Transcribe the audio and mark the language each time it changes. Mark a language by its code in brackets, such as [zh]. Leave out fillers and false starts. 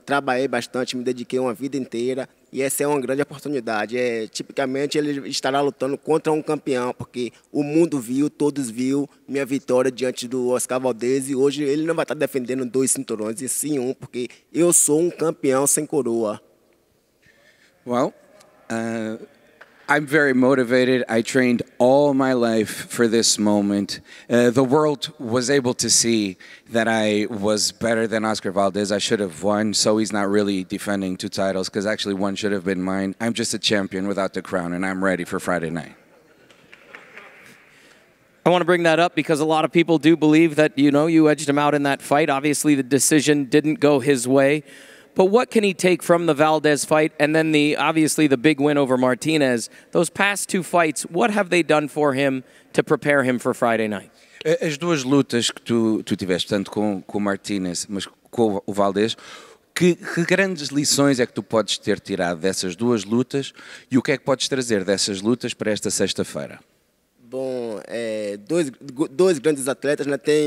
[pt] Trabalhei bastante, me dediquei uma vida inteira. E essa é uma grande oportunidade. Tipicamente, ele estará lutando contra um campeão, porque o mundo viu, todos viu minha vitória diante do Oscar Valdez. E hoje ele não vai estar defendendo dois cinturões, e sim um, porque eu sou um campeão sem coroa. [en] Well, I'm very motivated. I trained all my life for this moment. The world was able to see that I was better than Oscar Valdez. I should have won, so he's not really defending two titles, because actually one should have been mine. I'm just a champion without the crown, and I'm ready for Friday night. I want to bring that up because a lot of people do believe that, you know, you edged him out in that fight. Obviously, the decision didn't go his way. But what can he take from the Valdez fight and then obviously the big win over Martinez? Those past two fights, what have they done for him to prepare him for Friday night? [pt] As duas lutas que tu tiveste, tanto com Martinez, mas com o Valdez, que grandes lições é que tu podes ter tirado dessas duas lutas e o que é que podes trazer dessas lutas para esta sexta-feira? Bom, dois grandes atletas, né?